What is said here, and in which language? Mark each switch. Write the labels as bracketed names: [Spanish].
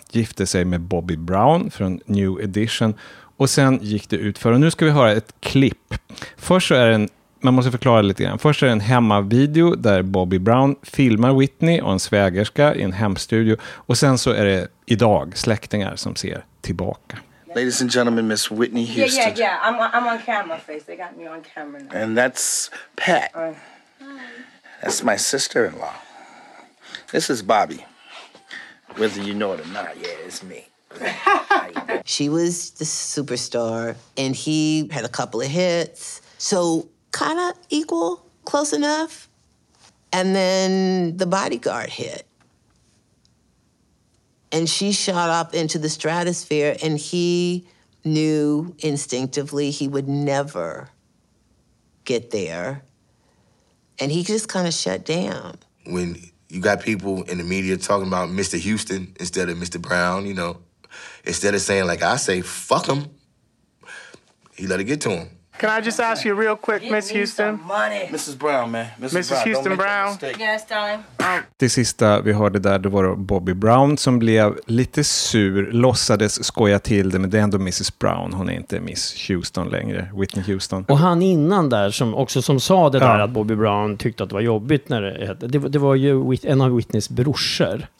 [Swedish] Gifte sig med Bobby Brown från New Edition. Och sen gick det ut för. Och nu ska vi höra ett klipp. Först så är det man måste förklara lite grann. Först är det en hemmavideo där Bobby Brown filmar Whitney och en svägerska i en hemstudio. Och sen så är det idag släktingar som ser tillbaka. [English] Ladies and gentlemen, Miss Whitney Houston. Yeah. I'm on camera, face. They got me on camera now. And that's Pat. That's my sister-in-law. This is Bobby. Whether you know it or not, yeah, it's me. She was the superstar, and he had a couple of hits. So kind of equal, close enough. And then The Bodyguard hit. And she shot up into the stratosphere, and he knew instinctively he would never get there. And he just kind of shut down. When you got people in the media talking about Mr. Houston instead of Mr. Brown, you know, instead of saying, like I say, fuck him, he let it get to him. Can I just ask you real quick, Miss Houston? Mrs. Brown, man. Mrs. Houston Brown. Yes, darling. [Swedish] Det sista vi hörde där, det var Bobby Brown som blev lite sur, låtsades skoja till det, men det är ändå Mrs. Brown. Hon är inte Miss Houston längre, Whitney Houston. Och han innan där, som också som sa det där att Bobby Brown tyckte att det var jobbigt när det hette. Det var ju en av Whitneys brorsor.